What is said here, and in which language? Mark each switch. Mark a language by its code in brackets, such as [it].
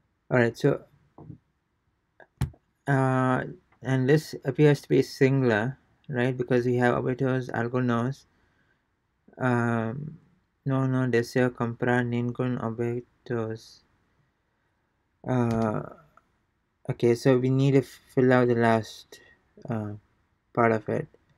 [en] Alright, so, and this appears to be singular. Right, because we have [es] objetos algunos. No, deseo comprar ningún objetos. [en] Okay, so we need to fill out the last part of it.